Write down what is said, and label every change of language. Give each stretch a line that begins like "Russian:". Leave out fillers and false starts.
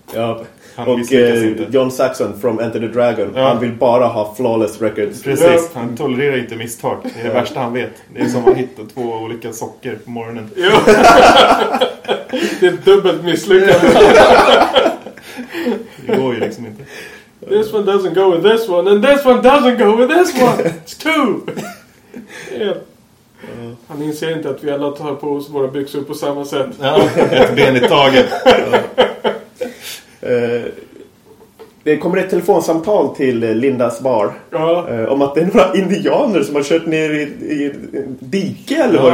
Swedish: Ja. Och John Saxon från Enter the Dragon, han vill bara ha
English: flawless records.
Swedish: Precis, han tolererar inte misstag. Det är det värsta han vet. Det är som att hitta två olika socker på morgonen. Ja. Det är dubbelt misslyckande. Det går ju liksom inte.
English: This one doesn't go with this one, and this one doesn't go with this one. It's two. Yeah.
Swedish: Han inser inte att vi alla tar på oss våra byxor på samma sätt. Ja, ett ben i taget. Det kommer ett telefonsamtal till Lindas bar. Ja. Om att det är några indianer som har kört ner i dike eller vad